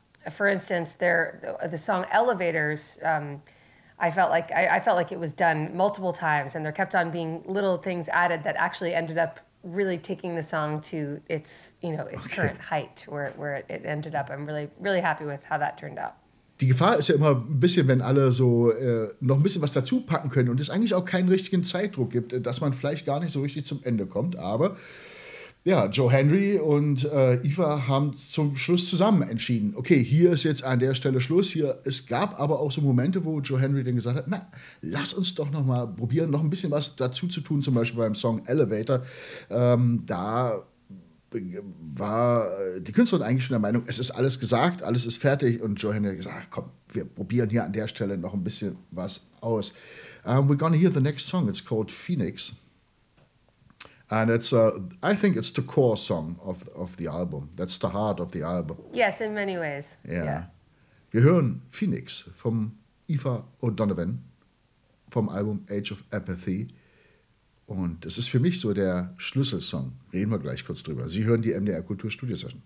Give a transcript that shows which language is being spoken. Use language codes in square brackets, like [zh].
[en] For instance, there the song Elevators, I felt like it was done multiple times, and there kept on being little things added that actually ended up really taking the song to its, you know, its current height, where it ended up. I'm really, really happy with how that turned out. [de] Die Gefahr ist ja immer ein bisschen, wenn alle so noch ein bisschen was dazu packen können und es eigentlich auch keinen richtigen Zeitdruck gibt, dass man vielleicht gar nicht so richtig zum Ende kommt. Aber ja, Joe Henry und Eva haben zum Schluss zusammen entschieden. Okay, hier ist jetzt an der Stelle Schluss. Hier, es gab aber auch so Momente, wo Joe Henry dann gesagt hat, na, lass uns doch noch mal probieren, noch ein bisschen was dazu zu tun, zum Beispiel beim Song Elevator. Da war die Künstlerin eigentlich schon der Meinung, es ist alles gesagt, alles ist fertig. Und Joe Henry hat gesagt, komm, wir probieren hier an der Stelle noch ein bisschen was aus. [en] We're gonna hear the next song, it's called Phoenix. And it's, I think it's the core song of the album. That's the heart of the album. Yes, in many ways. Yeah. [de] Wir hören Phoenix von Eva O'Donovan vom Album Age of Apathy. Und es ist für mich so der Schlüsselsong. Reden wir gleich kurz drüber. Sie hören die MDR Kulturstudio-Session.